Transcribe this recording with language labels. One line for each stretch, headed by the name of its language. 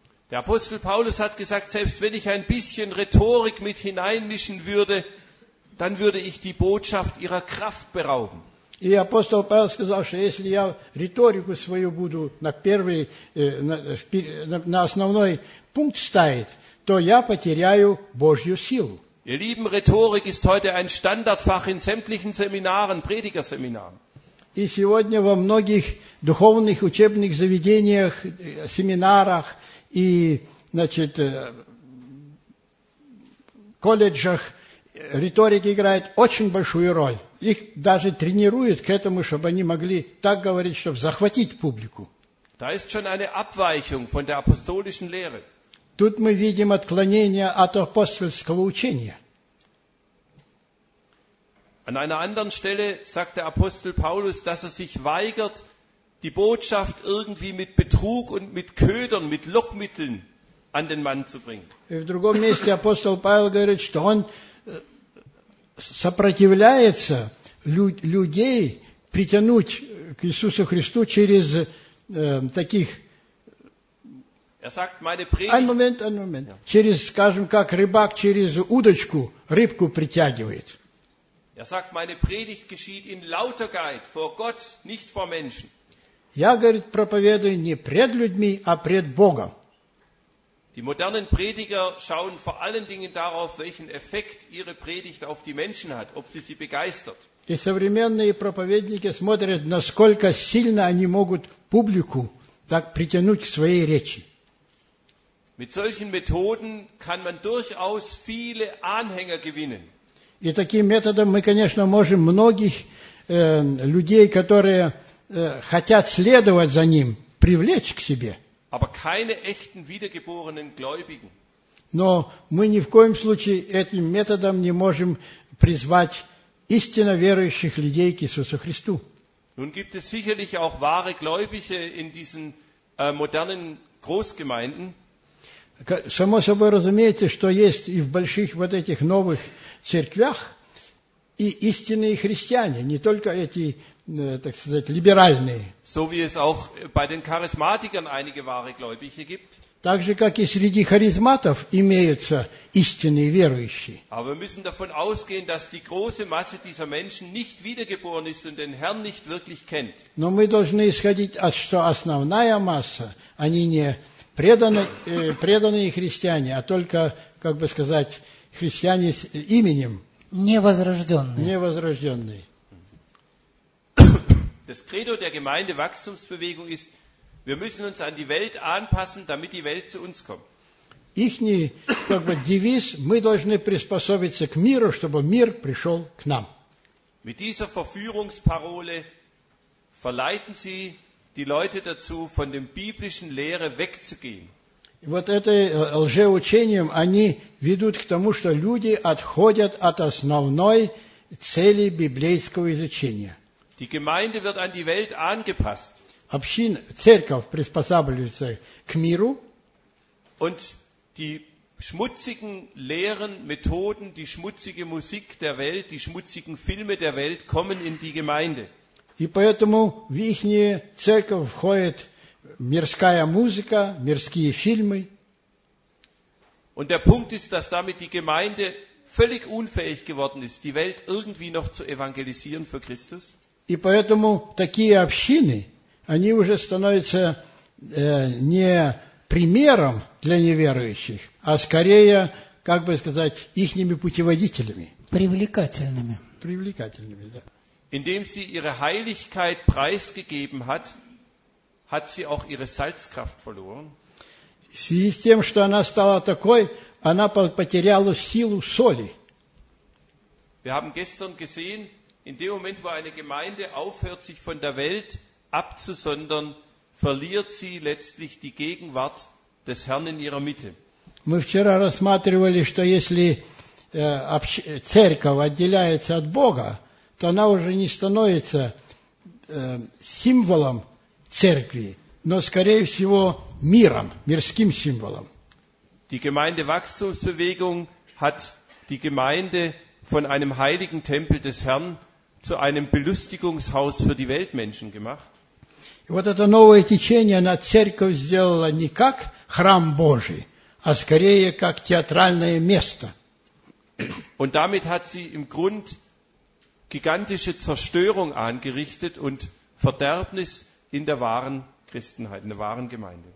German: Der Apostel Paulus hat gesagt, selbst wenn ich ein bisschen Rhetorik mit hineinmischen würde, dann würde ich die Botschaft ihrer Kraft berauben.
Russian: И апостол Павел сказал, что если я риторику свою буду на основной пункт ставить, то я потеряю Божью силу.
German: Ihr lieben, Rhetorik ist heute ein Standardfach in sämtlichen Seminaren, Predigerseminaren.
Russian: И сегодня во многих духовных учебных заведениях, семинарах и, значит, колледжах риторика играет очень большую роль. Их даже тренируют к этому, чтобы они могли так говорить, чтобы захватить публику.
German: Da ist schon eine Abweichung von der apostolischen Lehre.
Russian: Тут мы видим отклонение от апостольского учения.
German: An einer anderen Stelle sagt der Apostel Paulus, dass er sich weigert, die Botschaft irgendwie mit Betrug und mit Ködern, mit Lockmitteln an den Mann zu bringen.
Russian: В другом месте апостол Павел говорит, что он сопротивляется людей притянуть к Иисусу Христу через таких.
German: Er sagt, meine Predigt. Ein Moment. Ja.
Russian: Через, скажем, как рыбак через удочку рыбку притягивает.
German: Er sagt, meine Predigt geschieht in Lauterkeit vor Gott, nicht vor Menschen.
Russian: Я, говорит, проповедую не пред людьми, а пред Богом.
German: Die modernen Prediger schauen vor allen Dingen darauf, welchen Effekt ihre Predigt auf die Menschen hat, ob sie sie begeistert.
Russian: И современные проповедники смотрят, насколько сильно они могут публику так притянуть к своей речи.
German: Mit solchen Methoden kann man durchaus viele Anhänger gewinnen.
Russian: И таким методом мы, конечно, можем многих людей, которые хотят следовать за ним, привлечь к себе.
German: Aber keine echten wiedergeborenen Gläubigen.
Russian: Но мы ни в коем случае этим методом не можем призвать истинно верующих людей к Иисусу Христу.
German: Nun gibt es sicherlich auch wahre Gläubige in diesen modernen Großgemeinden.
Russian: Само собой разумеется, что есть и в больших вот этих новых церквях и истинные христиане, не только эти, так сказать, либеральные.
German: So wie es auch bei den Charismatikern einige wahre Gläubige gibt.
Russian: Так же, как и среди харизматов имеются истинные верующие.
German: Aber wir müssen davon ausgehen, dass die große Masse dieser Menschen nicht wiedergeboren ist und den Herrn nicht wirklich kennt.
Russian: Но мы должны исходить, что основная масса, они не преданные христиане, а только, как бы сказать, христиане с именем. Невозрожденные.
German: Das Credo der Gemeindewachstumsbewegung ist, wir müssen uns an die Welt anpassen, damit die Welt zu uns kommt.
Russian: Ихний, как бы, девиз, мы должны приспособиться к миру, чтобы мир пришел к нам.
German: Mit dieser Verführungsparole verleiten sie die Leute dazu, von dem biblischen Lehre wegzugehen.
Russian: Вот это лжеучением они ведут к тому, что люди отходят от основной цели библейского изучения.
German: Die Gemeinde wird an die Welt angepasst.
Russian: Церковь приспосабливается к миру.
German: Und die schmutzigen Lehren, Methoden, die schmutzige Musik der Welt, die schmutzigen Filme der Welt kommen in die Gemeinde.
Russian: И поэтому в их церковь входит мирская музыка, мирские фильмы.
German: Und der Punkt ist, dass damit die Gemeinde völlig unfähig geworden ist, die Welt irgendwie noch zu evangelisieren für Christus.
Russian: И поэтому такие общины, они уже становятся не примером для неверующих, а скорее, как бы сказать, ихними путеводителями. Привлекательными. Привлекательными, да.
German: Indem sie ihre Heiligkeit preisgegeben hat, hat sie auch ihre Salzkraft verloren.
Russian: В связи с тем, что она стала такой, она потеряла силу соли.
German: Wir haben gestern gesehen, in dem Moment, wo eine Gemeinde aufhört, sich von der Welt abzusondern, verliert sie letztlich die Gegenwart des Herrn in ihrer Mitte.
Russian: Мы вчера рассматривали, что если церковь отделяется от Бога, то она уже не становится символом церкви, но, скорее всего, миром, мирским символом.
German: Die Gemeindewachstumsbewegung hat die Gemeinde von einem heiligen Tempel des Herrn zu einem Belustigungshaus für die Weltmenschen gemacht.
Russian: И вот это новое течение на церковь сделало не как храм Божий, а скорее как театральное место.
German: Und damit hat sie im Grund gigantische Zerstörung angerichtet und Verderbnis in der wahren Christenheit, in der wahren Gemeinde.